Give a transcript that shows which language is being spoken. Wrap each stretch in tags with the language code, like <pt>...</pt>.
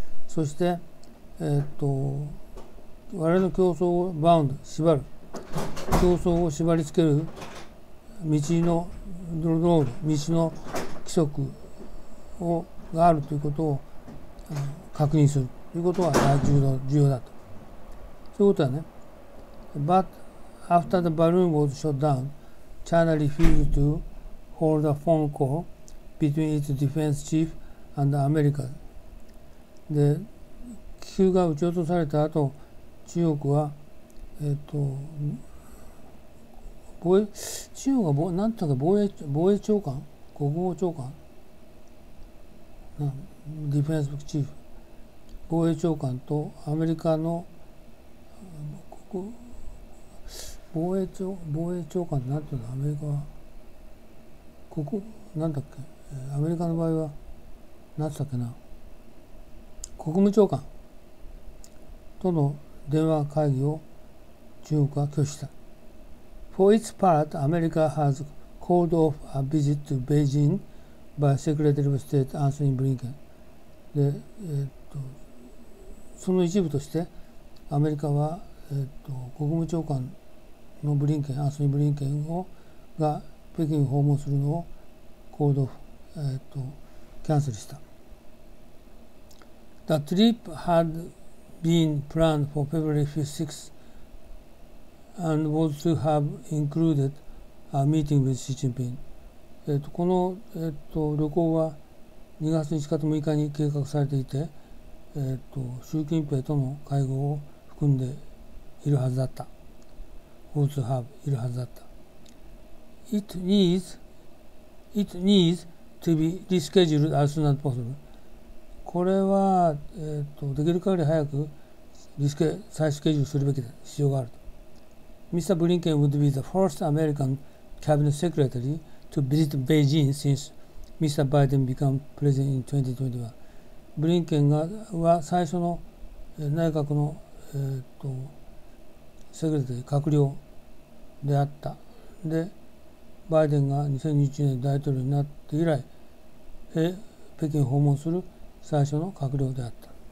<ja>そして、我々の競争をバウンド、縛る、競争を縛りつける道の道の規則をがあるということを確認するということが重要だと。そういうことはね、</ja> <en>But after the balloon was shot down, China refused to hold a phone call between its defense chief and America.</en> <ja>で、気球が撃ち落とされた後、中国は、中国が何て言うか、防衛長官、国防長官、ディフェンスチーフ、防衛長官とアメリカの防衛長官って何て言うの、アメリカは、ここ、何だっけ、アメリカの場合は、何て言ったっけな、国務長官との電話会議を中国は拒否した。</ja> <en>For its part, America has called off a visit to Beijing by Secretary of State Anthony Blinken.</en> <ja>で、その一部として、アメリカは、国務長官のブリンケン、アンソニー・ブリンケンが北京を訪問するのをコードオフ、キャンセルした。</ja> <en>The trip had been planned for February 6th. And was to have included a meeting with Xi Jinping.</en> <ja>この、旅行は2月1日と6日に計画されていて、習近平との会合を含んでいるはずだった。</ja> <en>Was to have</en> <ja>いるはずだった。</ja> <en>It needs to be rescheduled as soon as possible.</en> <ja>これは、できる限り早くリスケジュールするべきで必要があると。</ja> <en>Mr. Blinken would be the first American cabinet secretary to visit Beijing since Mr. Biden became president in 2021.</en> <ja>ブリンケンは最初の内閣の、セクレタリー、閣僚であった。で、バイデンが2021年大統領になって以来、北京訪問する最初の閣僚であった。</ja>